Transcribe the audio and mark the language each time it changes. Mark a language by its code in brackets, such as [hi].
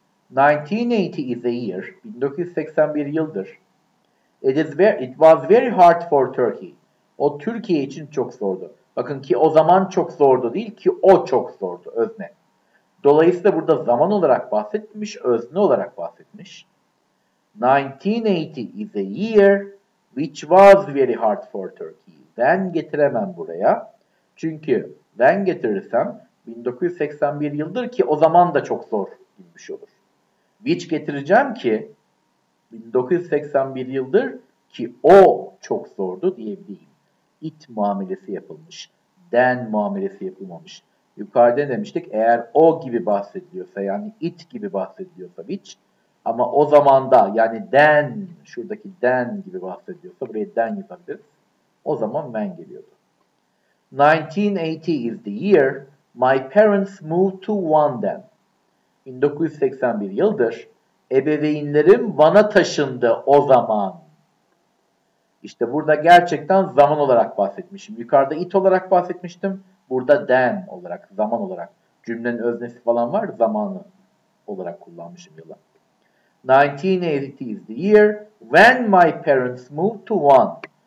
[en] 1980 is a year. [tr] 1981 yıldır. [en] It was very hard for Turkey. [tr] O Türkiye için çok zordu. Bakın ki o zaman çok zordu değil ki o çok zordu. Özne. Dolayısıyla burada zaman olarak bahsetmiş, özne olarak bahsetmiş. [en] 1980 is a year which was very hard for Turkey. [tr] Ben getiremem buraya. Çünkü ben getirirsem 1981 yıldır ki o zaman da çok zor gibi şey olur. Which getireceğim ki 1981 yıldır ki o çok zordu diyebileyim. It muamelesi yapılmış. Then muamelesi yapılmamış. Yukarıda demiştik eğer o gibi bahsediyorsa, yani it gibi bahsediyorsa which, ama o zamanda yani then, şuradaki then gibi bahsediyorsa, buraya then yazabiliriz. O zaman when geliyordu. [en] 1980 is the year my parents moved to Van'den. [tr] 1981 yıldır ebeveynlerim Van'a taşındı o zaman. İşte burada gerçekten zaman olarak bahsetmişim. Yukarıda it olarak bahsetmiştim. Burada then olarak, zaman olarak. Cümlenin öznesi falan var, zamanı olarak kullanmışım yılı. [en] 1980 is the year when my parents moved to Van.